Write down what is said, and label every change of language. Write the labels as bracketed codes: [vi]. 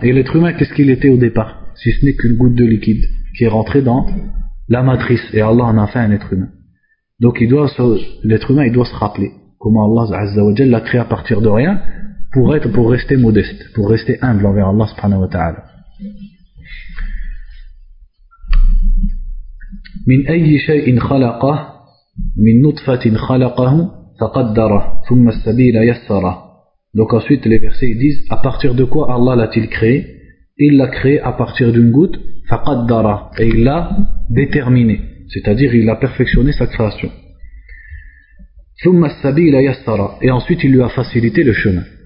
[fr] Et l'être humain, qu'est-ce qu'il était au départ? Si ce n'est qu'une goutte de liquide qui est rentrée dans la matrice, et Allah en a fait un être humain. Donc l'être humain doit se rappeler comment Allah Azza wa Jal l'a créé à partir de rien, pour rester modeste, pour rester humble envers Allah subhanahu wa ta'ala. [ar] من أي شيء خلقه من نطفة خلقه فقدره ثم السبيل يسره [fr] Donc ensuite, les versets disent à partir de quoi Allah l'a-t-il créé ? Il l'a créé à partir d'une goutte, faqaddara, et il l'a déterminé, c'est-à-dire il a perfectionné sa création. [ar] Thumma as-sabila yassara, [fr] et ensuite il lui a facilité le chemin.